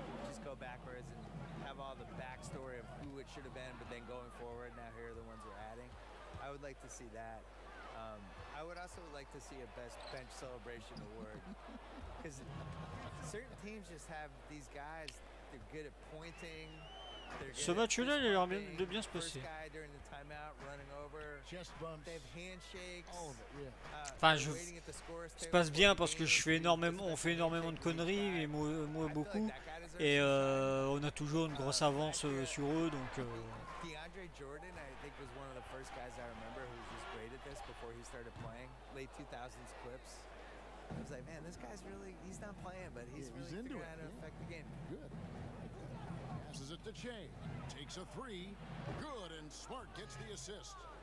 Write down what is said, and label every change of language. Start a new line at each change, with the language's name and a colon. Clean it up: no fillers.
English: Just go backwards and have all the backstory of who it should have been, but then going forward, now here are the ones we're adding. I would like to see that. I would also like to see a best bench celebration award, because certain teams just have these guys. They're good at pointing.
French: Ce match-là, il a l'air de bien se passer.
English: First guy during the time. timeout, running over, chest bumps, they have handshakes. All of it, yeah.
French: Enfin, je se passe bien parce que je fais énormément, on fait énormément de conneries, et moi beaucoup, et on a toujours une grosse avance sur eux, donc.
English: DeAndre Jordan, I think, was one of the first guys I remember who was just great at this before he started playing. Late 2000s clips. I was like, man, this guy's really, he's not playing, but he's really figuring out how to affect the game. Good. Passes it to Shea. Takes a three. Good, and Smart gets the assist.